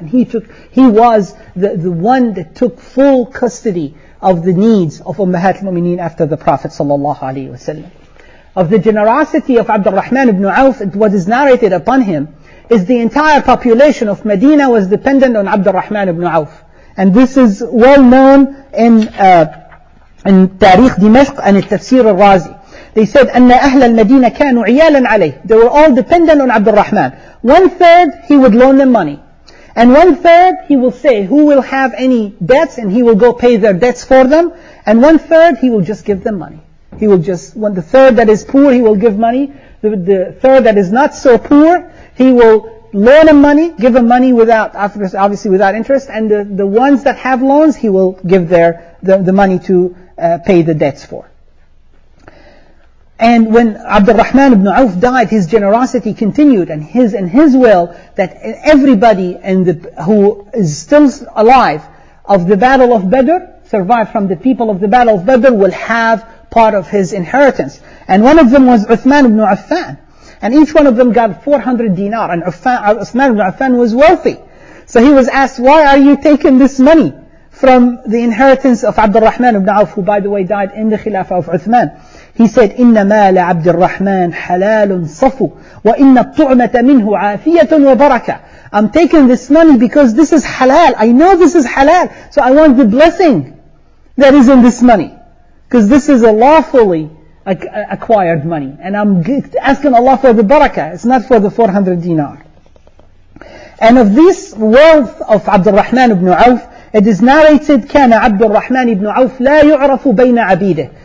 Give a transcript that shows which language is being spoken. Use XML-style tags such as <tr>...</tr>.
<en>And he was the one that took full custody of the needs of Ummahat al-Mu'mineen after the Prophet sallallahu alaihi wasallam. Of the generosity of Abdul Rahman ibn Auf, what is narrated upon him is the entire population of Medina was dependent on Abdul Rahman ibn Auf. And this is well known in Tariq Dimashq and in Tafsir al-Razi.</en> <ar>They said, أَنَّ أَهْلَ الْمَدِينَ كَانُوا عِيَالًا عَلَيْهِ.</ar> <en>They were all dependent on Abdul Rahman. One third, he would loan them money. And one third, he will say, who will have any debts, and he will go pay their debts for them. And one third, he will just give them money. He will just, when the third that is poor, he will give money. The third that is not so poor, he will loan him money, give him money without, obviously without interest, and the ones that have loans, he will give the money to pay the debts for. And when Abdul Rahman ibn Auf died, his generosity continued, and his will that everybody who is still alive of the Battle of Badr, survived from the people of the Battle of Badr, will have part of his inheritance. And one of them was Uthman ibn Affan. And each one of them got 400 dinar. And Uthman ibn Affan was wealthy. So he was asked, why are you taking this money from the inheritance of Abdul Rahman ibn Auf, who by the way died in the Khilafah of Uthman?</en> <ar>He said, إِنَّ مَالَ عَبْدِ الرَّحْمَنِ حَلَالٌ صَفُ وَإِنَّ الطُّعْمَةَ مِنْهُ عَافِيَةٌ وَبَرَكَةٌ.</ar> <en>I'm taking this money because this is halal. I know this is halal. So I want the blessing that is in this money. Because this is a lawfully acquired money. And I'm asking Allah for the barakah. It's not for the 400 dinar. And of this wealth of Abdul Rahman ibn Auf, it is narrated,</en> <ar>كان</ar> <en>Abdul Rahman ibn Auf</en> <ar>لا يعرف بين عبيده.</ar>